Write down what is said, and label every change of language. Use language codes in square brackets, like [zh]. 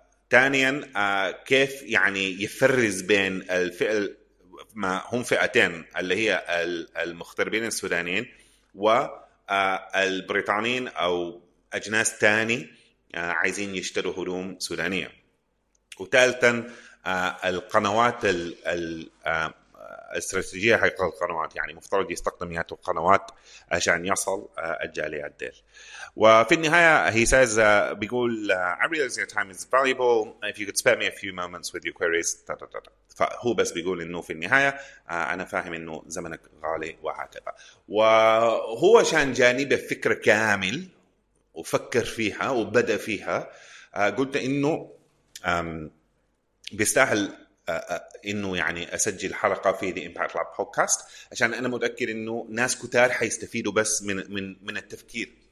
[ar] ثانياً كيف يعني يفرز بين ما هم فئتين اللي هي المغتربين السودانيين والبريطانيين أو أجناس تاني عايزين يشتروا هدوم سودانية. وثالثاً القنوات الاستراتيجية حق القنوات، يعني مفترض يستخدم ياتو القنوات عشان يصل الجاليات ديل. وفي النهاية [en] he says, [ar] بيقول [en] I realize your time is valuable, if you could spare me a few moments with your queries. [ar] فهو بس بيقول انه في النهاية انا فاهم انه زمنك غالي وهكذا. وهو عشان جاني بفكرة كامل وفكر فيها وبدأ فيها، قلت انه بيستاهل انه يعني اسجل حلقه في The Impact Lab Podcast، عشان انا متاكد انه ناس كتار حيستفيدوا بس من من من التفكير.